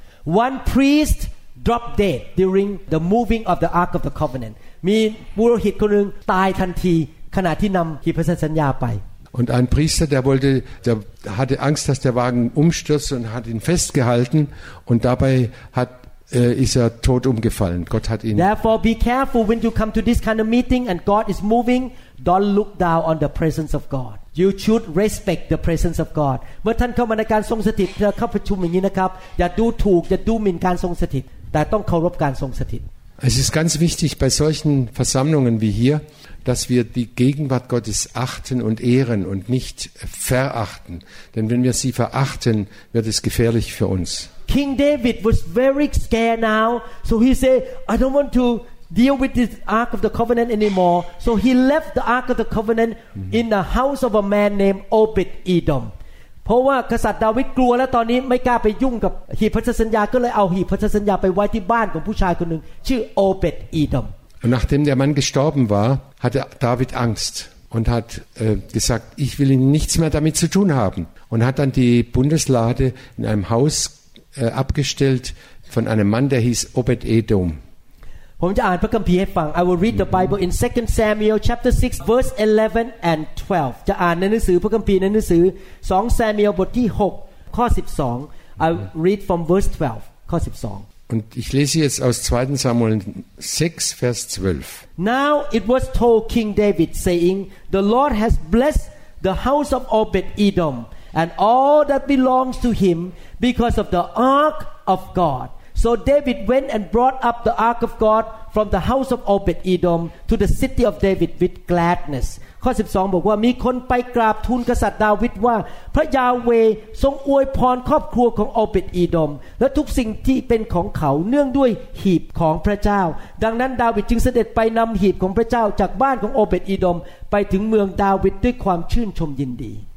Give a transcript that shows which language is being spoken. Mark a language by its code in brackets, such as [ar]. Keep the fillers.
[en] One priest dropped dead during the moving of the ark of the covenant. [th] มีบุรุษคนหนึ่งตายทันทีขณะที่นำขีพสัญญาไป [de] und ein Priester, der, wollte, der hatte Angst, dass der Wagen umstürzt und hat ihn festgehalten und dabei hat, äh, ist er tot umgefallen. Gott hat ihn. [en] Therefore, be careful when you come to this kind of meeting and God is moving. Don't look down on the presence of God. You should respect the presence of God. [th] เมื่อท่านเข้ามาในการทรงสถิตเพื่อเข้าประชุมอย่างนี้นะครับ อย่าดูถูกอย่าดูหมิ่นการทรงสถิต แต่ต้องเคารพการทรงสถิต [de] Es ist ganz wichtig bei solchen Versammlungen wie hier, dass wir die Gegenwart Gottes achten und ehren und nicht verachten. Denn wenn wir sie verachten, wird es gefährlich für uns. [en] King David was very scared now, so he said, I don't want to deal with this Ark of the Covenant anymore. So he left the Ark of the Covenant mm -hmm. in the house of a man named Obed Edom. [th] เพราะว่ากษัตริย์ดาวิดกลัวแล้วตอนนี้ไม่กล้าไปยุ่งกับหีบพันธสัญญาก็เลยเอาหีบพันธสัญญาไปไว้ที่บ้านของผู้ชายคนหนึ่งชื่อโอเปตอีดอม [de] und nachdem der Mann gestorben war, hatte David Angst und hat äh, gesagt, ich will nichts mehr damit zu tun haben. Und hat dann die Bundeslade in einem Haus äh, abgestellt von einem Mann, der hieß Obed Edom. Ich will die Bibel in 2 Samuel Chapter 6, Vers 11 und 12 Ich will die Bibel in 2 Samuel 6, Vers 11 und 12 lesen. Ich will die Bibel in 2 Samuel 6, Vers 11 und 12 Und ich lese jetzt aus 2. Samuel 6 Vers 12. [en] Now it was told King David saying, the Lord has blessed the house of Obed-Edom and all that belongs to him because of the ark of God. So David went and brought up the ark of God from the house of Obed-Edom to the city of David with gladness. [th] ข้อ12บอกว่ามีคนไปกราบทูลกษัตริย์ดาวิดว่าพระยาเวทรงอวยพรครอบครัวของโอเปตอีดอมและทุกสิ่งที่เป็นของเขาเนื่องด้วยหีบของพระเจ้า ดังนั้นดาวิดจึงเสด็จไปนำหีบของพระเจ้าจากบ้านของโอเปตอีดอมไปถึงเมืองดาวิดด้วยความชื่นชมยินดี